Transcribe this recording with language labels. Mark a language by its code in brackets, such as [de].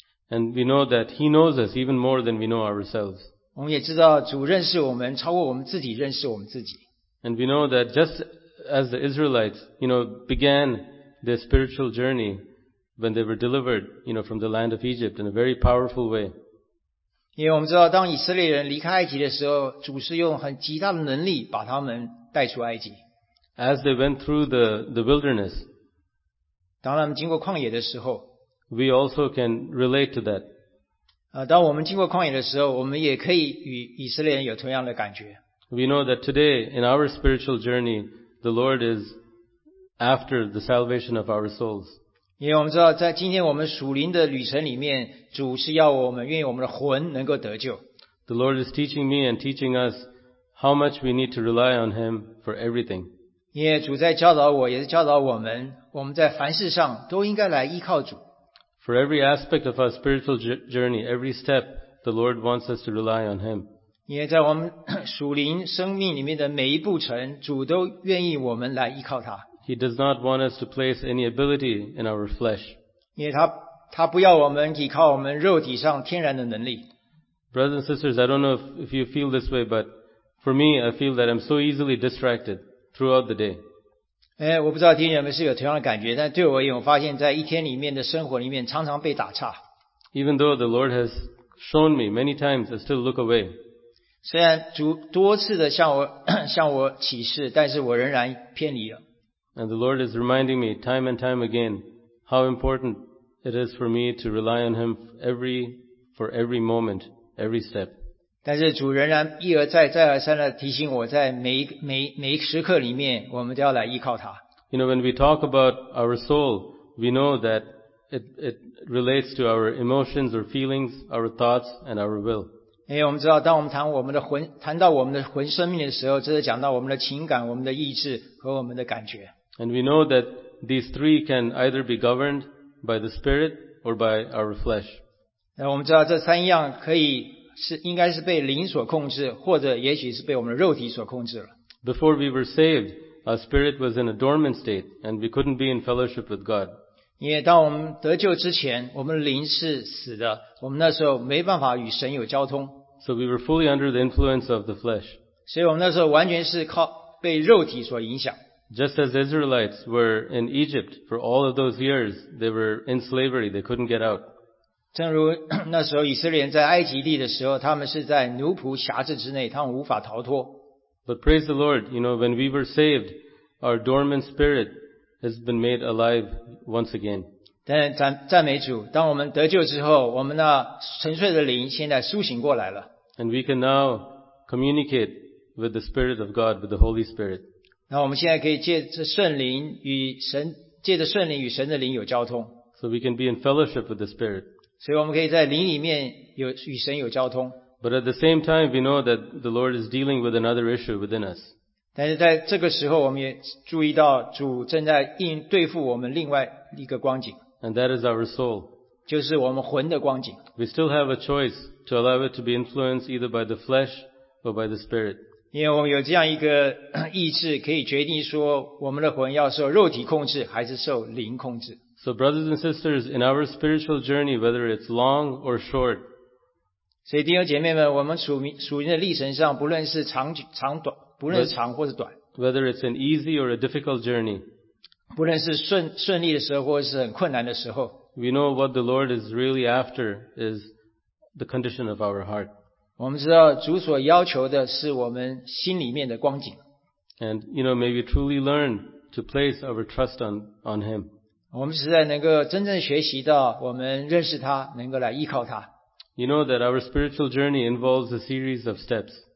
[en] And we know that He knows us even more than we know ourselves. [zh] 我们也知道主认识我们超过我们自己认识我们自己。 [en] And we know that just as the Israelites, you know, began their spiritual journey when they were delivered, you know, from the land of Egypt in a very powerful way. [zh] 因为我们知道当以色列人离开埃及的时候，主是用很极大的能力把他们带出埃及。 [en] As they went through the wilderness, [zh] 当他们经过旷野的时候， [en] we also can relate to that. [zh] 当我们经过旷野的时候，我们也可以与以色列人有同样的感觉。 [en] We know that today in our spiritual journey,The Lord is after the salvation of our souls. [zh] 因为我们知道，在今天我们属灵的旅程里面，主是要我们愿意我们的魂能够得救。 [en] The Lord is teaching me and teaching us how much we need to rely on Him for everything. [zh] 因为主在教导我，也是教导我们，我们在凡事上都应该来依靠主。 [en] For every aspect of our spiritual journey, every step, the Lord wants us to rely on Him. [zh] 因为在我们属灵生命里面的每一步程，主都愿意我们来依靠他。 [en] He does not want us to place any ability in our flesh. [zh] 因为他不要我们依靠我们肉体上天然的能力。 [en] Brothers and sisters, I don't know if you feel this way, but For me, I feel that I'm so easily distracted throughout the day. [zh] 哎，我不知道听众们是有同样的感觉，但对我而言，我发现在一天里面的生活里面常常被打岔。 [en] Even though the Lord has shown me many times, I still look away. [zh] 虽然主多次的向我启示，但是我仍然偏离了。 [en] And the Lord is reminding me time and time again how important it is for me to rely on Him for every moment, every step. [zh] 但是主仍然一而再、再而三的提醒我，在每一时刻里面，我们都要来依靠他。 [en] You know, when we talk about our soul, we know that it relates to our emotions or feelings, our thoughts and our will. [zh] 哎，我们知道，当我们谈到我们的魂生命的时候，这是讲到我们的情感、我们的意志和我们的感觉。 [en] And we know that these three can either be governed by the spirit or by our flesh. [zh] 我们知道这三样可以是应该是被灵所控制，或者也许是被我们的肉体所控制了。 [en] Before we were saved, our spirit was in a dormant state, and we couldn't be in fellowship with God. [zh] 因为当我们得救之前，我们灵是死的，我们那时候没办法与神有交通。 [en] So we were fully under the influence of the flesh. [zh] 所以我们那时候完全是靠被肉体所影响。 [en] Just as Israelites were in Egypt for all of those years, they were in slavery, they couldn't get out. [zh] 正如那时候以色列人在埃及地的时候，他们是在奴仆辖制之内，他们无法逃脱。 [en] But praise the Lord, you know, when we were saved, our dormant spirit has been made alive once again. [zh] 但赞美主，当我们得救之后，我们那沉睡的灵现在苏醒过来了。 [en] And we can now communicate with the Spirit of God, with the Holy Spirit. [zh] 那我们现在可以借着圣灵与神的灵有交通。 [en] So we can be in fellowship with the Spirit. [zh] 所以我们可以在灵里面与神有交通。 [en] But at the same time, we know that the Lord is dealing with another issue within us. [zh] 但是在这个时候，我们也注意到主正在对付我们另外一个光景。 [en] And that is our soul. [zh] 就是我们魂的光景。 [en] We still have a choice to allow it to be influenced either by the flesh or by the Spirit. [zh] 因为我们有这样一个意志，可以决定说我们的魂要受肉体控制还是受灵控制。 [en] So brothers and sisters, in our spiritual journey, whether it's long or short, [zh] 所以弟兄姐妹们，我们属灵的历程上，不论是长短，不论是长或是短， [en] whether it's an easy or a difficult journey, [zh] 不论是顺利的时候或是很困难的时候， [en] we know what the Lord is really after is the condition of our heart. [zh] 我们知道主所要求的是我们心里面的光景。 [en] And, you know, may we truly learn to place our trust on Him. [zh] 我们实在能够真正学习到我们认识他，能够来依靠他。 [en] You know that our spiritual journey involves a series of steps.